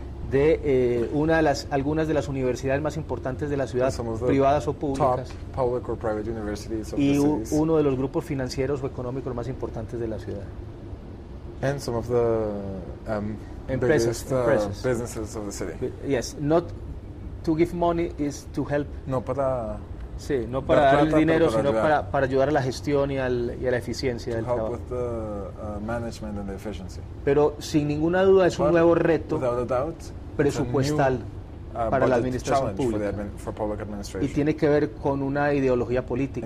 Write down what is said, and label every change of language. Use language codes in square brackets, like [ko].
[es] De algunas de las universidades más importantes de la ciudad, privadas o públicas, [en] public or private universities of [es] y [en] the [es] uno de los grupos financieros o económicos más importantes de la ciudad. [en] And some of the businesses of the city. Yes, not to give money is to help. [es] No para. Sí, no para dar el dinero, sino para ayudar a la gestión y a la eficiencia del trabajo. [en] With the management and the efficiency. [es] Pero sin ninguna duda es un nuevo reto presupuestal para la administración pública. [en] For public administration. [es] Y tiene que ver con una ideología política.